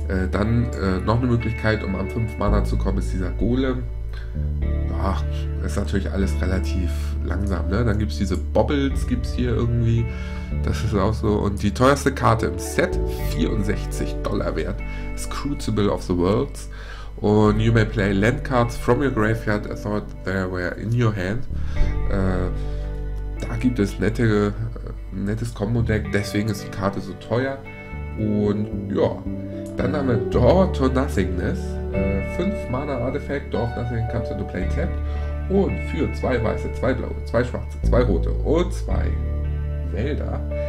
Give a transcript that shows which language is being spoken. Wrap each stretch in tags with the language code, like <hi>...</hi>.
<de>Dann noch eine Möglichkeit, um am 5 Mana zu kommen, ist dieser Golem. Ja, ist natürlich alles relativ langsam, ne? Dann gibt es diese Bobbles, gibt es hier irgendwie. Das ist auch so. Und die teuerste Karte im Set, 64 Dollar wert. Ist Crucible of the Worlds.</de> <en>Und you may play land cards from your graveyard. I thought they were in your hand. Da</en> <de>gibt es nettes Combo-Deck, deswegen ist die Karte so teuer. Und ja, dann haben wir Door to Nothingness.</de> <en>5 Mana Artifact, Door to Nothingness, comes into play tapped.</en> <de>Und für 2 weiße, 2 blaue, 2 schwarze, 2 rote und 2 Wälder.</de>